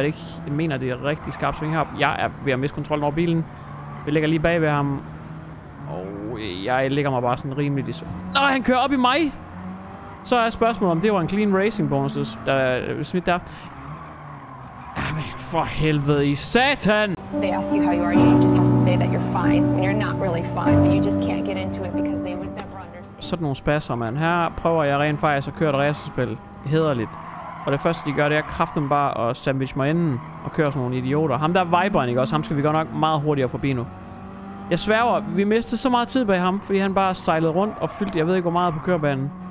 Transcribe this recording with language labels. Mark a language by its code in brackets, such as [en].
[da] Er det ikke, jeg mener, det er et rigtig skarpt sving heroppe? Jeg er ved at miste kontrollen over bilen. Vi ligger lige bag ved ham. Og jeg ligger mig bare sådan rimelig lige så. Nå, han kører op i mig! Så er spørgsmålet, om det var en clean racing bonus, der er smidt der. Jamen, for helvede i satan! [en] They ask you how you are, you just have to say that you're fine. And you're not really fine, but you just can't get into it because they would never understand. [da] Sådan nogle spasser, mand. Her prøver jeg rent faktisk at køre et racerspil. Hederligt. Og det første, de gør, det er kraften bare at sandwich mig inden og køre sådan nogle idioter. Ham der viberen, ikke også? Ham skal vi godt nok meget hurtigere forbi nu. Jeg sværger, vi mistede så meget tid bag ham, fordi han bare sejlede rundt og fyldte, jeg ved ikke hvor meget, på kørebanen.